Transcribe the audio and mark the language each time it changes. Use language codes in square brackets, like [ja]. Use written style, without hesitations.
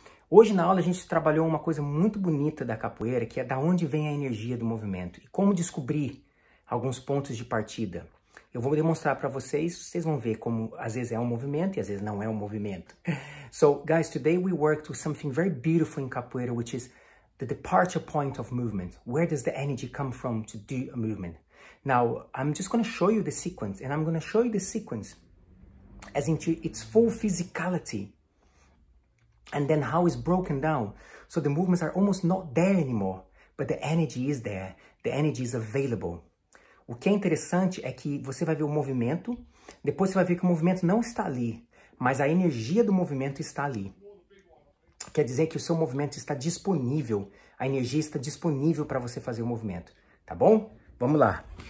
[pt] Hoje na aula a gente trabalhou uma coisa muito bonita da capoeira, que é da onde vem a energia do movimento e como descobrir alguns pontos de partida. Eu vou demonstrar para vocês, vocês vão ver como às vezes é um movimento e às vezes não é um movimento. [en] So, guys, today we worked with something very beautiful in capoeira, which is the departure point of movement. Where does the energy come from to do a movement? Now, I'm just going to show you the sequence, and I'm going to show you the sequence as into its full physicality, and then how it's broken down. So the movements are almost not there anymore, but the energy is there, the energy is available. [pt] O que é interessante é que você vai ver o movimento, depois você vai ver que o movimento não está ali, mas a energia do movimento está ali. Quer dizer que o seu movimento está disponível, a energia está disponível para você fazer o movimento, tá bom? Vamos lá.